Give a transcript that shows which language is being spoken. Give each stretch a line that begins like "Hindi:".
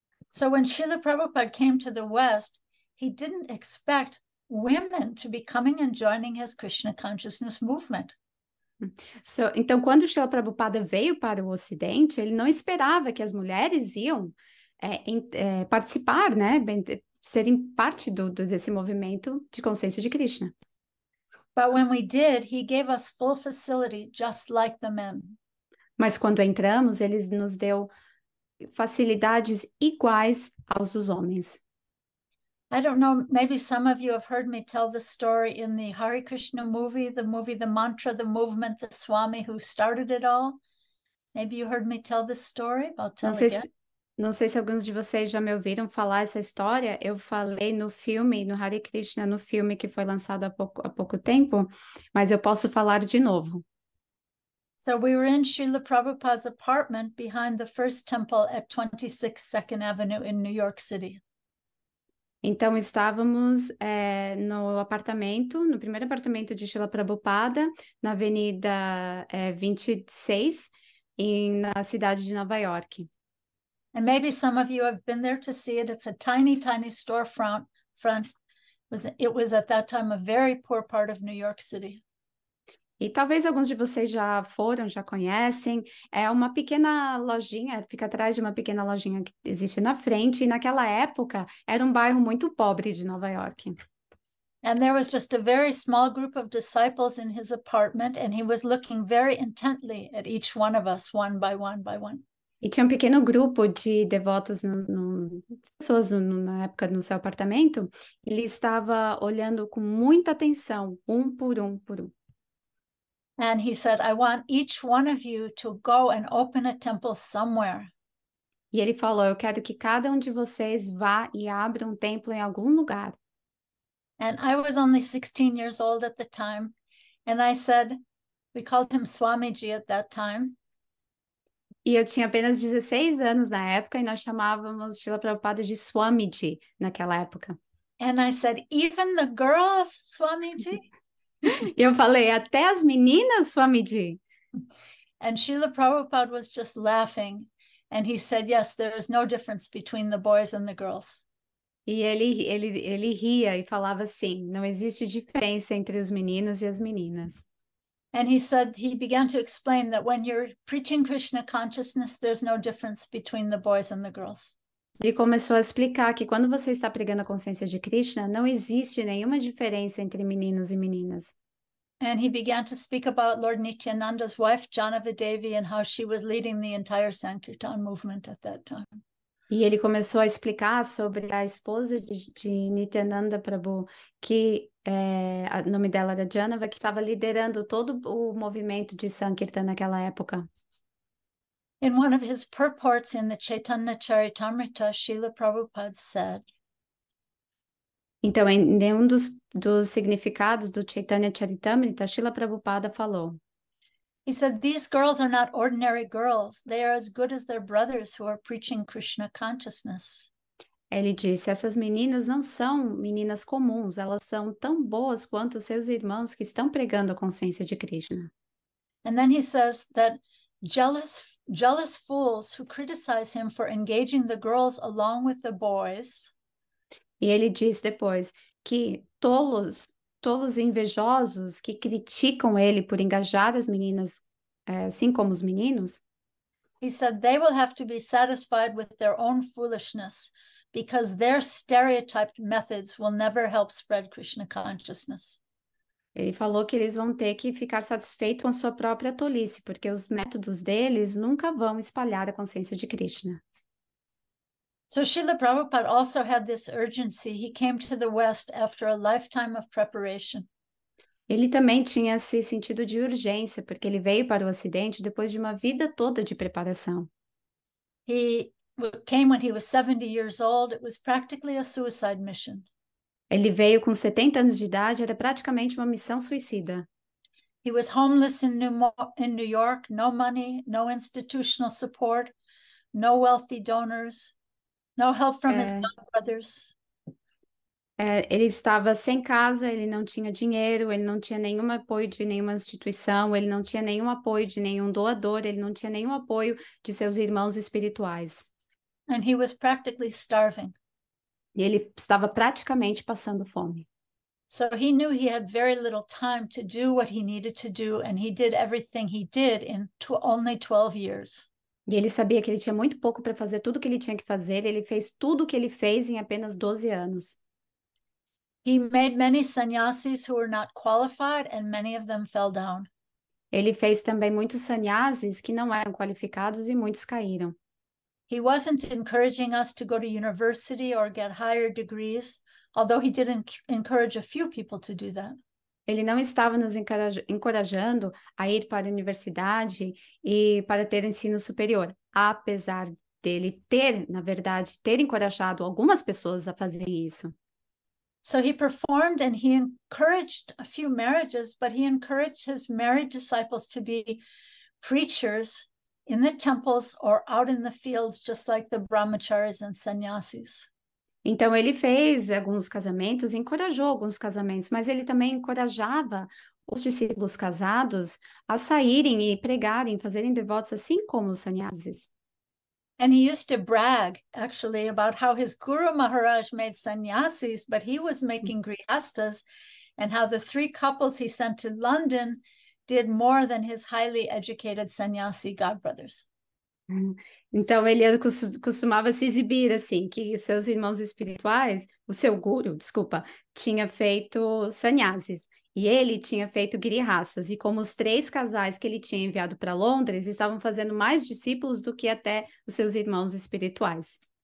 English: So when Srila Prabhupada came to the West, he didn't expect women to be coming and joining his Krishna consciousness movement.
Portuguese: Então, quando Srila Prabhupada veio para o Ocidente, ele não esperava que as mulheres iam participar, né? Serem parte desse movimento de consciência de Krishna.
English: But when we did, he gave us full facility, just like the men.
Portuguese: Mas quando entramos, ele nos deu facilidades iguais aos dos homens.
English: I don't know, maybe some of you have heard me tell the story in the Hare Krishna movie, The Mantra, The Movement, The Swami Who Started It All. Maybe you heard me tell this story, I'll tell again.
Portuguese: Não sei se alguns de vocês já me ouviram falar essa história. Eu falei no filme, no Hare Krishna, no filme que foi lançado há pouco tempo, mas eu posso falar de novo.
English: So we were in Srila Prabhupada's apartment behind the first temple at 26 Second Avenue in New York City.
Portuguese: Então, estávamos no apartamento, no primeiro apartamento de Srila Prabhupada, na Avenida 26, na cidade de Nova York.
English: And maybe some of you have been there to see it. It's a tiny, tiny storefront. It was at that time a very poor part of New York City.
Portuguese: E talvez alguns de vocês já conhecem. É uma pequena lojinha, fica atrás de uma pequena lojinha que existe na frente. E naquela época, era um bairro muito pobre de Nova York.
English: And there was just a very small group of disciples in his apartment, and he was looking very intently at each one of us, one by one by one.
Portuguese: E tinha um pequeno grupo de devotos, pessoas na época no seu apartamento. Ele estava olhando com muita atenção, um por um.
English: And he said, I want each one of you to go and open a temple somewhere.
Portuguese: E ele falou, eu quero que cada de vocês vá e abra templo em algum lugar.
English: And I was only 16 years old at the time. And I said, we called him Swamiji at that time.
Portuguese: E eu tinha apenas 16 anos na época e nós chamávamos Srila Prabhupada de Swamiji naquela época.
English: And I said, even the girls, Swamiji?
Portuguese: E eu falei, até as meninas, Swamiji?
English: And Srila Prabhupada was just laughing. And he said, yes, there is no difference between the boys and the girls.
Portuguese: E ele ria e falava assim, não existe diferença entre os meninos e as meninas.
English: And he said, he began to explain that when you're preaching Krishna consciousness, there's no difference between the boys and the girls.
Portuguese: Ele começou a explicar que quando você está pregando a consciência de Krishna, não existe nenhuma diferença entre meninos e meninas.
English: And he began to speak about Lord Nityananda's wife, Janava Devi, and how she was leading the entire Sankirtan movement at that time.
Portuguese: E ele começou a explicar sobre a esposa de Nityananda Prabhu, que o nome dela era Janava, que estava liderando todo o movimento de Sankirtan naquela época.
English: In one of his purports in the Chaitanya Charitamrita, Srila Prabhupada said.
Portuguese: Então, em dos significados do Chaitanya Charitamrita, Srila Prabhupada falou.
English: He said, these girls are not ordinary girls. They are as good as their brothers who are preaching Krishna consciousness.
Portuguese: Ele disse, essas meninas não são meninas comuns. Elas são tão boas quanto seus irmãos que estão pregando a consciência de Krishna.
English: And then he says that jealous fools who criticize him for engaging the girls along with the boys.
Portuguese: E ele diz depois que tolos tolos invejosos que criticam ele por engajar as meninas assim como os meninos?
English: He said they will have to be satisfied with their own foolishness because their stereotyped methods will never help spread Krishna consciousness.
Portuguese: Ele falou que eles vão ter que ficar satisfeitos com a sua própria tolice, porque os métodos deles nunca vão espalhar a consciência de Krishna.
English: So Srila Prabhupada also had this urgency. He came to the West after a lifetime of preparation.
Portuguese: Ele também tinha esse sentido de urgência, porque ele veio para o Ocidente depois de uma vida toda de preparação.
English: He came when he was 70 years old. It was practically a suicide mission.
Portuguese: Ele veio com 70 anos de idade, era praticamente uma missão suicida.
English: He was homeless in New York, no money, no institutional support, no wealthy donors, no help from his brothers.
Portuguese: Ele estava sem casa, ele não tinha dinheiro, ele não tinha nenhum apoio de nenhuma instituição, ele não tinha nenhum apoio de nenhum doador, ele não tinha nenhum apoio de seus irmãos espirituais.
English: And he was practically starving.
Portuguese: E ele estava praticamente passando fome.
English: So he knew he had very little time to do what he needed to do, and he did everything he did in only 12 years.
Portuguese: E ele sabia que ele tinha muito pouco para fazer tudo o que ele tinha que fazer, ele fez tudo o que ele fez em apenas 12 anos.
English: He made many sannyasis who were not qualified, and many of them fell down.
Portuguese: Ele fez também muitos sannyasis que não eram qualificados e muitos caíram.
English: He wasn't encouraging us to go to university or get higher degrees, although he did encourage a few people to do that.
Portuguese: Ele não estava nos encorajando a ir para a universidade e para ter ensino superior, apesar dele ter, na verdade, ter encorajado algumas pessoas a fazerem isso.
English: So he performed and he encouraged a few marriages, but he encouraged his married disciples to be preachers in the temples or out in the fields, just like the brahmacharis and sannyasis.
Portuguese: Então, ele fez alguns casamentos, encorajou alguns casamentos, mas ele também encorajava os discípulos casados a saírem e pregarem, fazerem devotos assim como os sannyasis.
English: And he used to brag, actually, about how his Guru Maharaj made sannyasis, but he was making grihastas, and how the three couples he sent to London did more than his highly educated sannyasi godbrothers.
Portuguese: Então, ele costumava se exibir assim, que seus irmãos espirituais, o seu guru, desculpa, tinha feito sannyasis e ele tinha feito grihastas, e como os três casais que ele tinha enviado para Londres estavam fazendo mais discípulos do que até os seus irmãos espirituais.